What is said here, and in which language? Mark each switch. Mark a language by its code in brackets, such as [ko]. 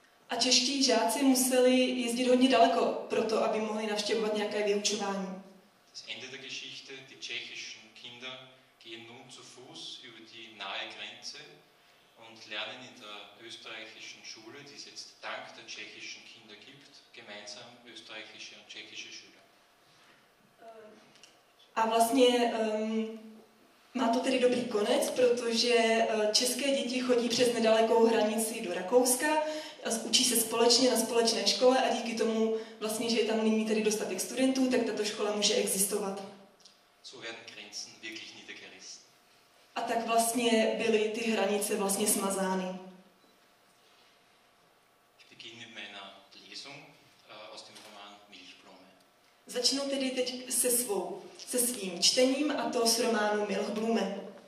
[cs] A čeští žáci museli jezdit hodně daleko pro to, aby mohli navštěvovat nějaké vyučování. [de] Das Ende der Geschichte, die tschechischen Kinder gehen nun zu Fuß über die nahe Grenze und lernen in der österreichischen Schule, die es jetzt dank der tschechischen Kinder gibt, gemeinsam österreichische und tschechische Schüler. [cs] A vlastně má to tedy dobrý konec, protože české děti chodí přes nedalekou hranici do Rakouska, učí se společně na společné škole a díky tomu, vlastně, že je tam nyní tedy dostatek studentů, tak tato škola může existovat. [de] So werden Grenzen wirklich niedergerissen. [cs] A tak vlastně byly ty hranice vlastně smazány. [de] Ich beginne mit meiner Lesung aus dem Roman Milchblume. [cs] Začnu tedy teď se svým čtením, a to s románu Milchblume.